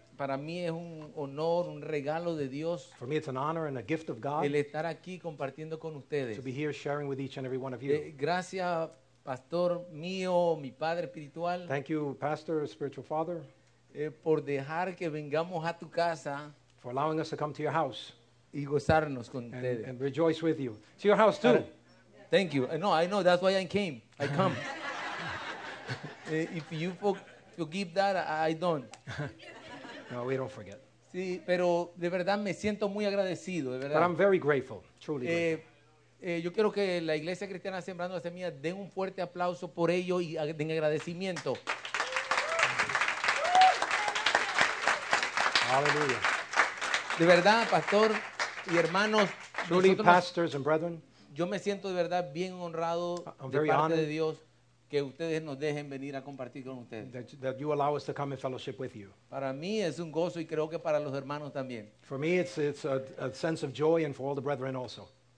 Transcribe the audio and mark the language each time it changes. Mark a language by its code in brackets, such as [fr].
[es] Para mí es un honor, un regalo de Dios. [en] For me, it's an honor and a gift of God. [es] El estar aquí compartiendo con ustedes. [en] To be here sharing with each and every one of you. [es] Gracias, pastor mío, mi padre espiritual. [en] Thank you, pastor, spiritual father. [es] Por dejar que vengamos a tu casa. [en] For allowing us to come to your house. [es] Y gozarnos con ustedes. [en] And rejoice with you. To your house too. Thank you. No, I know. That's why I came. I come. If you forgive that, I don't. No, we don't forget. [es] Sí, pero de verdad me siento muy agradecido, de verdad. [en] But I'm very grateful, truly grateful. [es] Yo quiero que la Iglesia Cristiana Sembrando la Semilla den un fuerte aplauso por ello y den agradecimiento. Aleluya. De verdad, pastor y hermanos. [en] Truly, pastors and brethren. [es] Yo me siento de verdad bien honrado de parte de Dios que ustedes nos dejen venir a compartir con ustedes. [en] That you allow us to come and fellowship with you. [es] Para mí es un gozo y creo que para los hermanos también. [en] For me it's a sense of joy and for all the brethren also.